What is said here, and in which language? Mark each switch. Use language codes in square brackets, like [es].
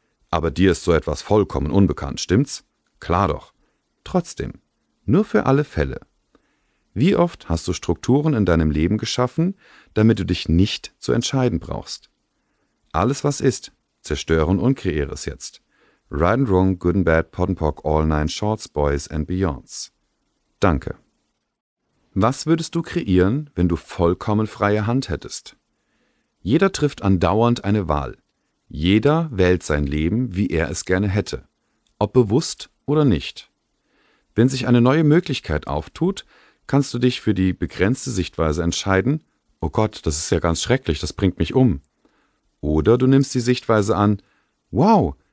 [de] Aber dir ist so etwas vollkommen unbekannt, stimmt's? Klar doch. Trotzdem, nur für alle Fälle. Wie oft hast du Strukturen in deinem Leben geschaffen, damit du dich nicht zu entscheiden brauchst? Alles, was ist, zerstöre und kreiere es jetzt. [en] Right and wrong, good and bad, pot and pock, all nine, shorts, boys and beyonds. [de] Danke. Was würdest du kreieren, wenn du vollkommen freie Hand hättest? Jeder trifft andauernd eine Wahl. Jeder wählt sein Leben, wie er es gerne hätte, ob bewusst oder nicht. Wenn sich eine neue Möglichkeit auftut, kannst du dich für die begrenzte Sichtweise entscheiden, oh Gott, das ist ja ganz schrecklich, das bringt mich um. Oder du nimmst die Sichtweise an, wow,